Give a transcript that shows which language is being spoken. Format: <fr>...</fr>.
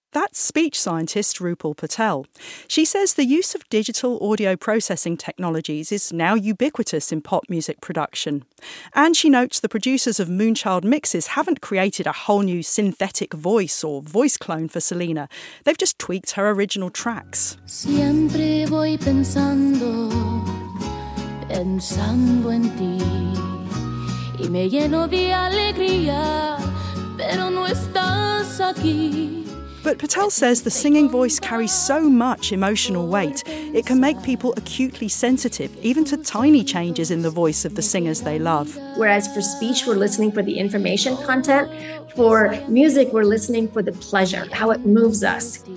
<en>That's speech scientist Rupal Patel. She says the use of digital audio processing technologies is now ubiquitous in pop music production. And she notes the producers of Moonchild Mixes haven't created a whole new synthetic voice or voice clone for Selena. They've just tweaked her original tracks.</en> <es>Siempre voy pensando, pensando en ti. Y me lleno de alegría, pero no estás aquí.</es> <en>But Patel says the singing voice carries so much emotional weight, it can make people acutely sensitive, even to tiny changes in the voice of the singers they love. Whereas for speech, we're listening for the information content. For music, we're listening for the pleasure, how it moves us.</en>